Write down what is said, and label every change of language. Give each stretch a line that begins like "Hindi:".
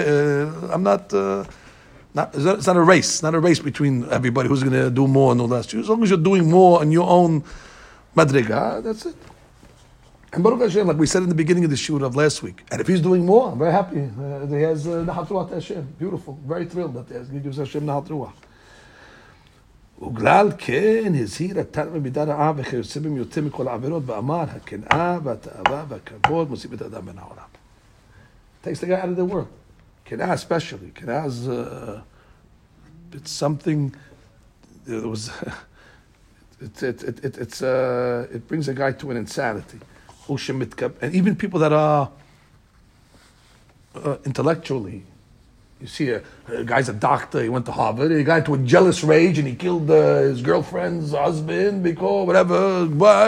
English: It's not a race between everybody who's going to do more and no less. As long as you're doing more on your own madriga, that's it. And Baruch Hashem, like we said in the beginning of the shiur of last week, and if he's doing more, I'm very happy. He has Nahat Ruach Hashem. Beautiful. Very thrilled that he gives Hashem Nahat Ruach.
Hebrew: וגלל כן הזהיר התנא במידה רעה וכיוצא בהם יותר מכל העבירות ואמר הקנאה והתאווה והכבוד מוציאים את האדם מן העולם.
English: Takes the guy out of the world. Kenah especially. Kenah is it's something that was it brings a guy to an insanity. And even people that are intellectually, you see a guy's a doctor, he went to Harvard, he got into a jealous rage and he killed his girlfriend's husband because whatever, why?